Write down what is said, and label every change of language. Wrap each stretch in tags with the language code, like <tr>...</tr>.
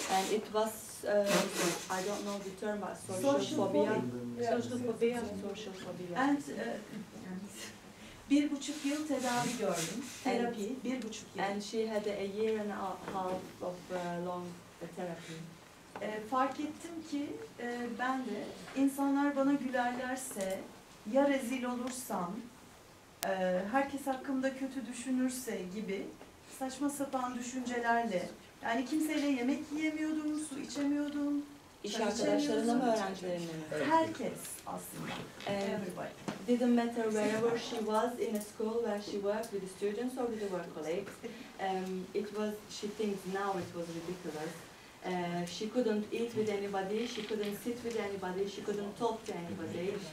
<en>And it was I don't know the term, but social phobia. Yeah. Social phobia.</en> <tr>And bir buçuk yıl tedavi gördüm. Terapi. Bir buçuk yıl.</tr> <en>And she had a year and a half of long therapy.</en> <tr>Fark ettim ki ben de insanlar bana gülerlerse, ya rezil olursam, herkes hakkımda kötü düşünürse gibi saçma sapan düşüncelerle, yani kimseyle yemek yiyemiyordum, su içemiyordum. İş arkadaşlarına mı, öğrencilerine mi? Herkes aslında.</tr> <en>Everybody. Didn't matter wherever she was in a school where she worked with the students or with the work colleagues. It was, she thinks now it was ridiculous. She couldn't eat with anybody, she couldn't sit with anybody, she couldn't talk to anybody.</en>